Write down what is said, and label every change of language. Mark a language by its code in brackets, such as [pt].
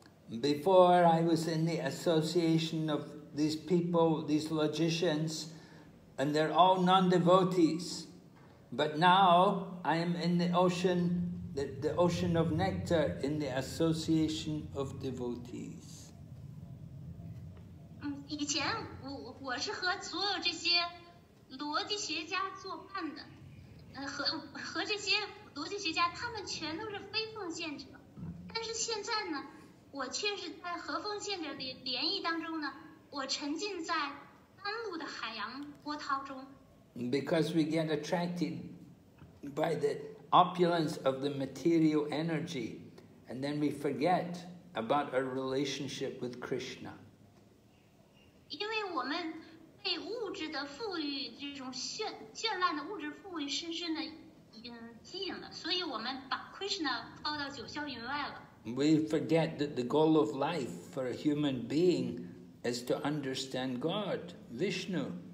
[en] Before I was in the association of these people, these logicians, and they're all non-devotees. But now I am in the ocean of nectar in the association of devotees. [zh] 以前我是和所有这些逻辑学家作伴的，和这些逻辑学家，他们全都是非奉献者。但是现在呢，我却是在和奉献者的联谊当中呢，我沉浸在甘露的海洋波涛中。 [en] Because we get attracted by the opulence of the material energy, and then we forget about our relationship with Krishna. [zh] 因为我们被物质的富裕，这种绚烂的物质富裕深深的吸引了，所以我们把 Krishna 抛到九霄云外了。 [en] We forget that the goal of life for a human being is to understand God, Vishnu.